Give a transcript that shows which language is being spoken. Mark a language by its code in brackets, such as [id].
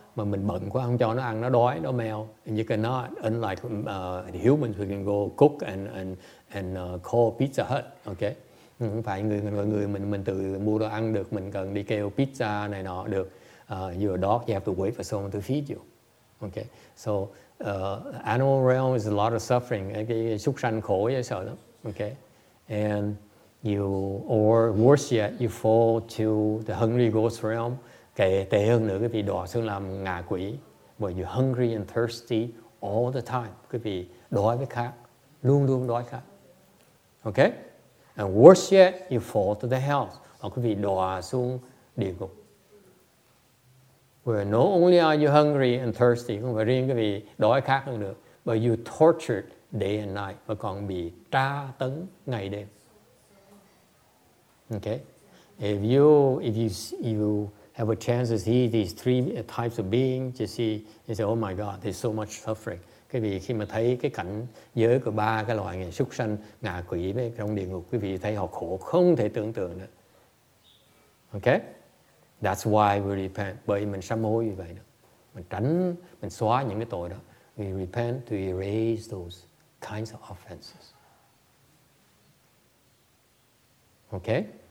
[vi] mà mình bận quá không cho nó ăn, nó đói, nó mèo. [en] And you cannot, unlike humans, we can go cook and call Pizza Hut, okay? [vi] Không phải người mình tự mua đồ ăn được, mình cần đi kêu pizza này nọ được. [en] You're a dog, you have to wait for someone to feed you, okay? So animal realm is a lot of suffering, [vi] cái súc sanh khổ dễ sợ lắm, [en] okay? And you, or worse yet, you fall to the hungry ghost realm. [vi] Kể tệ hơn nữa, cái vị đọa xuống làm ngạ quỷ. [en] But you're hungry and thirsty all the time. [vi] Cái vị đói với khát, luôn luôn đói khát. [en] Okay? And worse yet, you fall to the hell. [vi] Hoặc cái vị đọa xuống địa ngục. [en] Where not only are you hungry and thirsty, [vi] không phải riêng cái vị đói khát hơn nữa, [en] but you tortured day and night. [vi] Và còn bị tra tấn ngày đêm. [en] Okay? If you have a chance to see these three types of beings, you see, you say, oh my God, there's so much suffering. [vi] Cái vì khi mà thấy cái cảnh giới của ba cái loại này, súc sanh, ngạ quỷ với trong địa ngục, quý vị thấy họ khổ không thể tưởng tượng nữa. Okay? [en] That's why we repent. [vi] Bởi mình sám hối như vậy đó. Mình tránh, mình xóa những cái tội đó. [en] We repent to erase those kinds of offenses. Okay?